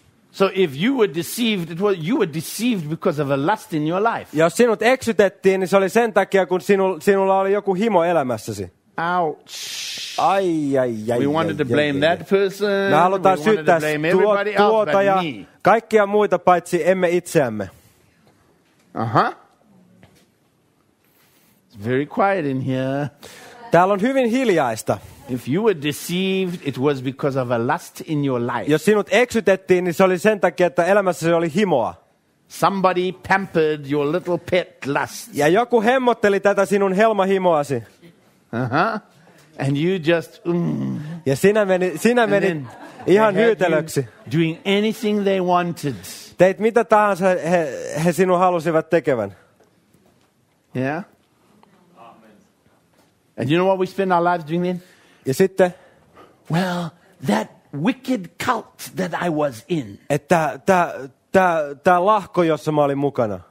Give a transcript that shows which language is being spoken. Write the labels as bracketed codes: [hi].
[en] So if you were deceived, it was you were deceived because of a lust in your life. [fi] Jos sinut eksytettiin, niin se oli sen takia, kun sinulla oli joku himo elämässäsi. [en] Ouch. [fi] Ai. [en] We wanted to blame that person. [fi] Me halutaan syyttää tuota ja kaikkia muita paitsi emme itseämme. Aha. [en] It's very quiet in here. [fi] Täällä on hyvin hiljaista. [en] If you were deceived, it was because of a lust in your life. [fi] Jos sinut eksytettiin, niin se oli sen takia, että elämässäsi oli himoa. [en] Somebody pampered your little pet lust. [fi] Ja joku hemmotteli tätä sinun helmahimoasi. [en] Uh-huh. And you just. [fi] Ja sinä meni ihan hyytelöksi. [en] Doing anything they wanted. [fi] Teit mitä tahansa he sinun halusivat tekevän. [en] Yeah. And you know what we spend our lives doing then? [fi] Ja sitten, [en] well, that wicked cult that I was in. [fi] Että tämä lahko, jossa mä olin mukana.